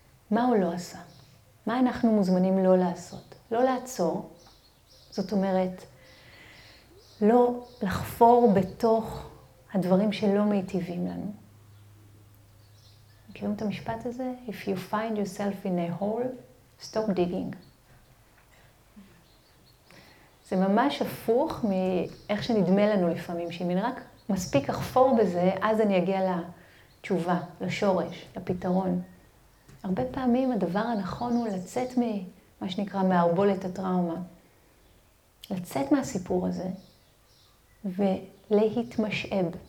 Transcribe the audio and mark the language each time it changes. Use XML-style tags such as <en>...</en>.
<he>מה הוא לא עשה? מה אנחנו מוזמנים לא לעשות? לא לעצור, זאת אומרת, לא לחפור בתוך הדברים שלא מיטיבים לנו. מכירים את המשפט הזה?</he> <en>If you find yourself in a hole, stop digging.</en> <he>זה ממש הפוך מאיך שנדמה לנו לפעמים, שאם אני רק מספיק אחפור בזה, אז אני אגיע לתשובה, לשורש, לפתרון. הרבה פעמים הדבר הנכון הוא לצאת ממה שנקרא מערבולת הטראומה, לצאת מהסיפור הזה ולהתמשאב.</he>